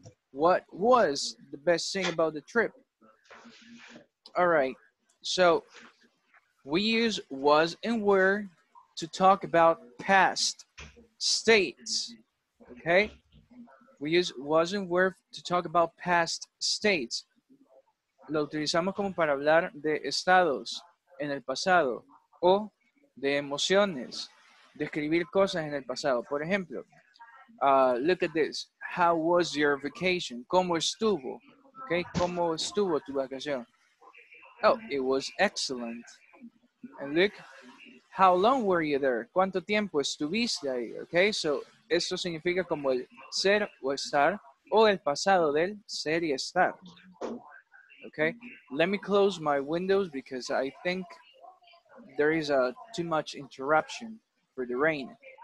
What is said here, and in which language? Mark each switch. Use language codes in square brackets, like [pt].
[en] What was the best thing about the trip? All right. So we use was and were to talk about past states, okay? We use was and were to talk about past states. [es] Lo utilizamos como para hablar de estados en el pasado o de emociones, describir cosas en el pasado. [en] Por ejemplo, look at this. How was your vacation? ¿Cómo estuvo? Okay, ¿cómo estuvo tu vacación? Oh, it was excellent. And look, how long were you there? ¿Cuánto tiempo estuviste ahí? [es] Okay, so esto significa como el ser o estar o el pasado del ser y estar. [en] Okay, let me close my windows because I think there is a too much interruption for the rain.